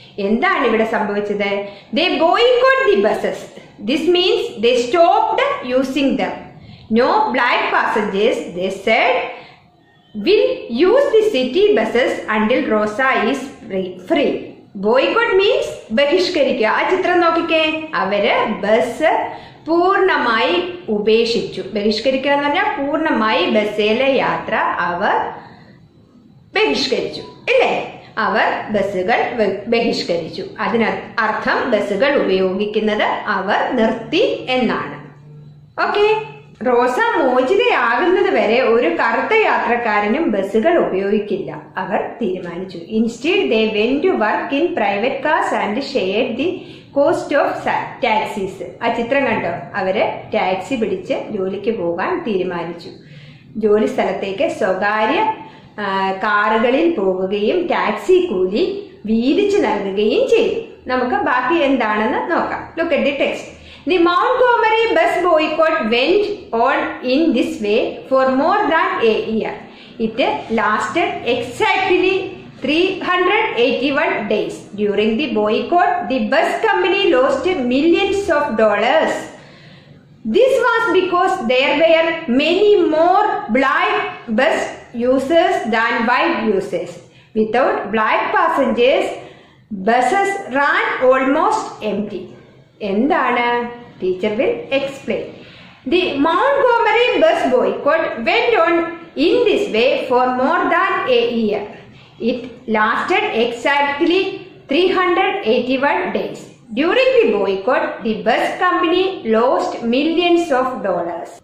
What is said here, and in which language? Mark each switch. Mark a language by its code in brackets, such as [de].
[ml] എന്താണ് ഇവിടെ സംഭവിച്ചത്? [en] They boycotted the buses. This means they stopped using them. No black passengers, they said, will use the city buses until Rosa is free. Boycott means [ml] ബഹിഷ്കരിക്കുക. ആ ചിത്രം നോക്കിക്കേ, അവര് bus പൂർണമായി ഉപേക്ഷിച്ചു. ബഹിഷ്കരിക്കുക എന്ന് പറഞ്ഞാൽ പൂർണമായി ബസ്സിലെ യാത്ര അവർ ബഹിഷ്കരിച്ചു ഇല്ലേ. അവർ ബസ്സുകൾ ബഹിഷ്കരിച്ചു, അതിന് അർത്ഥം ബസ്സുകൾ ഉപയോഗിക്കുന്നത് അവർ നിർത്തി എന്നാണ്. ഓക്കെ, റോസ മോചിതയാകുന്നത് വരെ ഒരു കറുത്ത യാത്രക്കാരനും ബസ്സുകൾ ഉപയോഗിക്കില്ല അവർ തീരുമാനിച്ചു. [en] Instead they went to work in private cars and shared the cost of taxis. [ml] ആ ചിത്രം കണ്ടോ, അവര് ടാക്സി പിടിച്ച് ജോലിക്ക് പോകാൻ തീരുമാനിച്ചു. ജോലി സ്ഥലത്തേക്ക് സ്വകാര്യ കാറുകളിൽ പോവുകയും ടാക്സി കൂലി വീതിച്ചു നൽകുകയും ചെയ്തു. നമുക്ക് ബാക്കി എന്താണെന്ന് നോക്കാം. [en] Look at the text. The Montgomery bus boycott went on in this way for more than a year. It lasted exactly 381 days. During the boycott, the bus company lost millions of dollars. This was because there were many more black bus users than white users. Without black passengers, buses ran almost empty. [ml] എന്താണ്? [en] Teacher will explain. The Montgomery bus boycott went on in this way for more than a year. It lasted exactly 381 days. During the boycott the bus company lost millions of dollars.